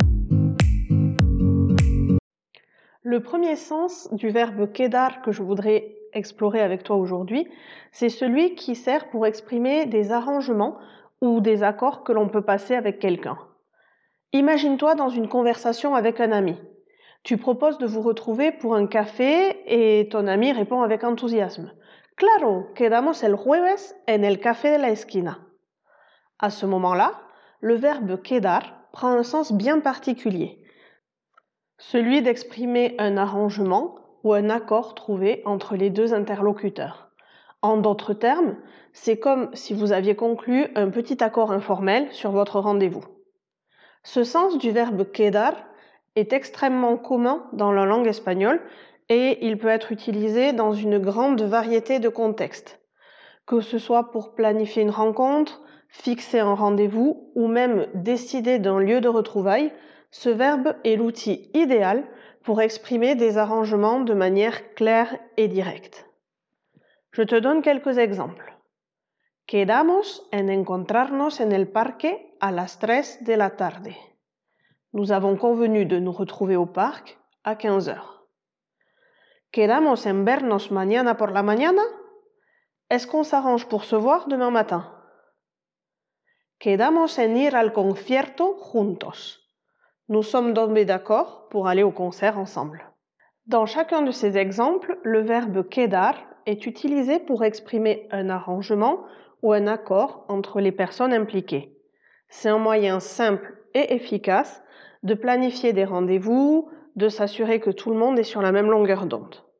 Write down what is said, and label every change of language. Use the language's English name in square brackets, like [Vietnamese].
[French] Le premier sens du verbe quedar que je voudrais explorer avec toi aujourd'hui, c'est celui qui sert pour exprimer des arrangements ou des accords que l'on peut passer avec quelqu'un. Imagine-toi dans une conversation avec un ami. Tu proposes de vous retrouver pour un café et ton ami répond avec enthousiasme. [Spanish] Claro, quedamos el jueves en el café de la esquina. [French] À ce moment-là, le verbe quedar prend un sens bien particulier, celui d'exprimer un arrangement ou un accord trouvé entre les deux interlocuteurs. En d'autres termes, c'est comme si vous aviez conclu un petit accord informel sur votre rendez-vous. Ce sens du verbe quedar est extrêmement commun dans la langue espagnole et il peut être utilisé dans une grande variété de contextes, que ce soit pour planifier une rencontre, fixer un rendez-vous ou même décider d'un lieu de retrouvailles. Ce verbe est l'outil idéal pour exprimer des arrangements de manière claire et directe. Je te donne quelques exemples. [Spanish] Quedamos en encontrarnos en el parque a las 3 de la tarde. [French] Nous avons convenu de nous retrouver au parc à 15h. [Spanish] Quedamos en vernos mañana por la mañana? [French] Est-ce qu'on s'arrange pour se voir demain matin? [Spanish] Quedamos en ir al concierto juntos. [French] Nous sommes tombés d'accord pour aller au concert ensemble. Dans chacun de ces exemples, le verbe quedar est utilisé pour exprimer un arrangement ou un accord entre les personnes impliquées. C'est un moyen simple et efficace de planifier des rendez-vous, de s'assurer que tout le monde est sur la même longueur d'onde.